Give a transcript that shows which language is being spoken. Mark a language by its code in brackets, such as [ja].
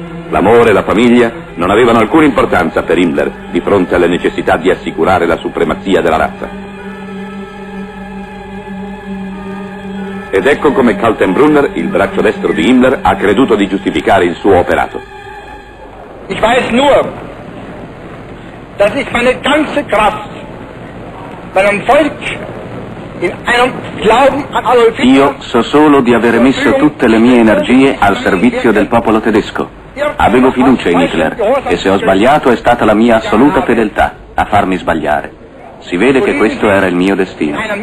[it] L'amore e la famiglia non avevano alcuna importanza per Himmler di fronte alle necessità di assicurare la supremazia della razza. Ed ecco come Kaltenbrunner, il braccio destro di Himmler, ha creduto di giustificare il suo operato. [de] Ich weiß nur, dass ich meine ganze Kraft meinem Volk in einem Glauben an Adolf Hitler. [it] Io so solo di aver messo tutte le mie energie al servizio del popolo tedesco. Avevo fiducia in Hitler e se ho sbagliato è stata la mia assoluta fedeltà a farmi sbagliare. Si vede che questo era il mio destino.